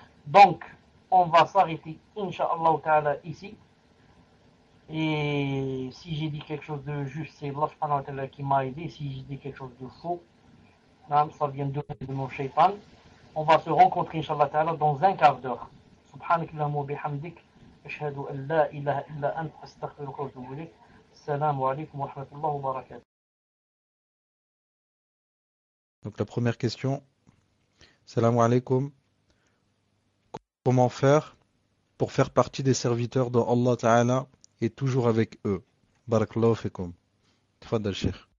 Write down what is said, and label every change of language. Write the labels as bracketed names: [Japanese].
[French] Donc, on va s'arrêter Inch'Allah Ta'ala ici. Et si j'ai dit quelque chose de juste, c'est Allah subhanahu wa ta'ala qui m'a aidé. Si j'ai dit quelque chose de faux, na'am, ça vient de mon shaytan. On va se rencontrer Inch'Allah Ta'ala dans un quart d'heure. [Arabic] سبحانك اللهم وبحمدك أشهد أن لا إله إلا أنت أستغفرك وأتوب إليك السلام عليكم ورحمة الله وبركاته. [French] Donc la première question. Salam alaikum. Comment faire pour faire partie des serviteurs dont Allah Ta'ala est toujours avec eux? [Arabic] Barakallahu fikum. Tfadal Cheikh.